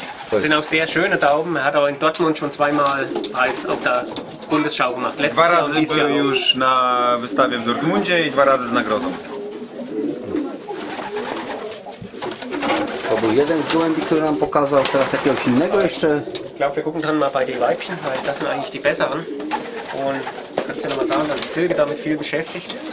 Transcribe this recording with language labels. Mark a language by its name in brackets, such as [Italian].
[German] To sind auch sehr schöne Tauben. Er hat auch in Dortmund schon zweimal Preis auf der Bundesschau gemacht. [Polish] Dwa razy był już na wystawie w Dortmundzie i dwa razy z nagrodą. To był jeden z gołębi, który nam pokazał, teraz jakiegoś innego jeszcze. [German] Ich glaube, wir gucken dann mal bei den Weibchen, weil das sind eigentlich die besseren. Und kannst du noch mal sagen, dass Silke damit viel beschäftigt.